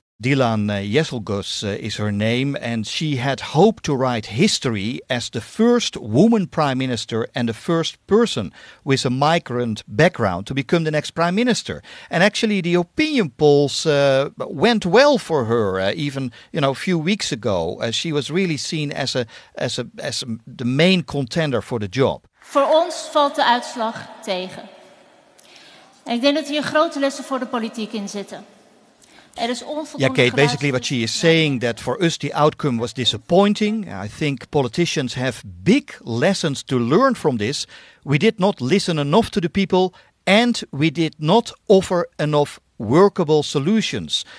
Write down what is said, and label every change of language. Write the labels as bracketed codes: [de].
[en] Dilan Yeselgus is her name, and she had hoped to write history as the first woman prime minister and the first person with a migrant background to become the next prime minister. And actually, the opinion polls went well for her, even a few weeks ago. She was really seen as the main contender for the job. [nl] Voor ons valt de uitslag tegen. Ik denk dat hier grote lessen voor de politiek in zitten. [en] Yeah, Kate, basically what she is saying, that for us the outcome was disappointing. I think politicians have big lessons to learn from this. We did not listen enough to the people, and we did not offer enough workable solutions.